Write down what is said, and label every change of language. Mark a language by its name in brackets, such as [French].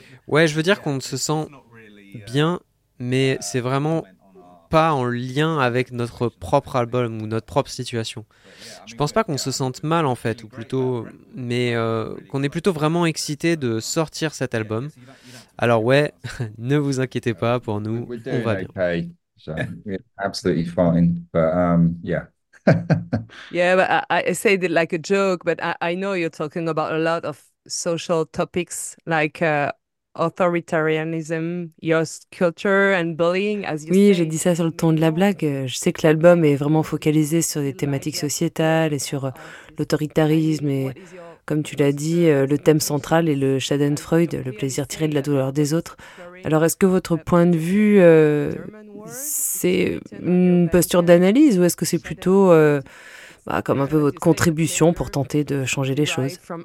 [French] ouais, je veux dire qu'on se sent bien, mais c'est vraiment pas en lien avec notre propre album ou notre propre situation. Je pense pas qu'on se sente mal en fait, ou plutôt, mais qu'on est plutôt vraiment excité de sortir cet album. Alors ouais, ne vous inquiétez pas, pour nous, on va bien. [English] Absolutely fine, but yeah. Yeah, but I said it like a joke, but I know you're talking about a lot of social topics, like. Authoritarianism, your culture and bullying, as you [French] oui, j'ai dit ça sur le ton de la blague. Je sais que l'album est vraiment focalisé sur des thématiques sociétales et sur l'autoritarisme. Et comme tu l'as dit, le thème central est le Schadenfreude, le plaisir tiré de la douleur des autres. Alors, est-ce que votre point de vue, c'est une posture d'analyse ou est-ce que c'est plutôt comme un peu votre contribution pour tenter de changer les choses?